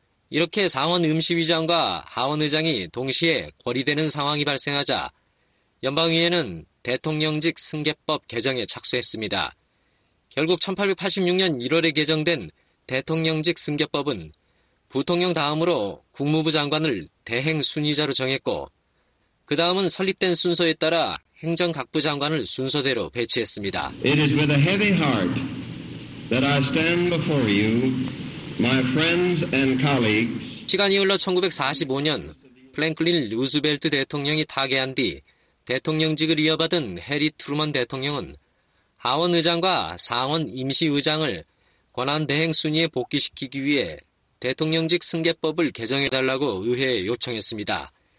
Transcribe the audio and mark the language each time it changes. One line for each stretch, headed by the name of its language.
Korean: 이렇게 상원 임시의장과 하원의장이 동시에 궐이되는 상황이 발생하자 연방의회는 대통령직 승계법 개정에 착수했습니다. 결국 1886년 1월에 개정된 대통령직 승계법은 부통령 다음으로 국무부 장관을 대행 순위자로 정했고 그 다음은 설립된 순서에 따라 행정각부 장관을 순서대로 배치했습니다.
English: It is with a heavy heart that I stand before you, my friends and colleagues.
Korean: 시간이 흘러 1945년 프랭클린 루즈벨트 대통령이 타계한 뒤 대통령직을 이어받은 해리 트루먼 대통령은 하원의장과 상원임시의장을 권한대행 순위에 복귀시키기 위해 대통령직 승계법을 개정해달라고 의회에 요청했습니다.